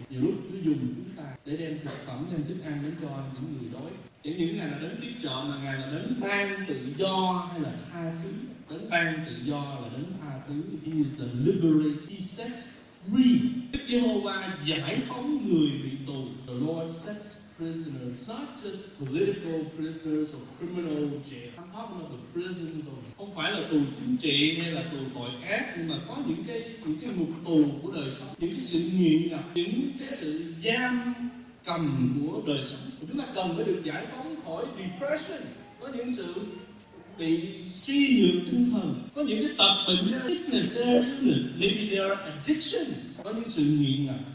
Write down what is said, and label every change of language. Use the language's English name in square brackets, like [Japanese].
[Vietnamese] Nhiều lúc Chúa dùng chúng ta để đem thực phẩm và thức ăn đến cho những người đói. Chẳng những Ngài là đến tiếp trợ, mà Ngài là đến ban tự do hay là tha thứ. Đến ban tự do là đến tha thứ. [English] He is the liberator. He sets free. [Vietnamese] Đức Giê-hô-va giải phóng người bị tù. [English] The Lord sets prisoners, not just political prisoners or criminal jail. I'm talking about the prisons. Or... [Vietnamese] không phải là tù chính trị hay là tù tội ác, nhưng mà có những cái ngục tù của đời sống, những cái sự nghiện ngập, những cái sự giam cầm của đời sống. Chúng ta cần phải được giải phóng khỏi depression, có những sự bị suy nhược tinh thần, có những cái tập bệnh, [English] sickness, illness, maybe there are addictions, [Vietnamese] có những sự nghiện ngập.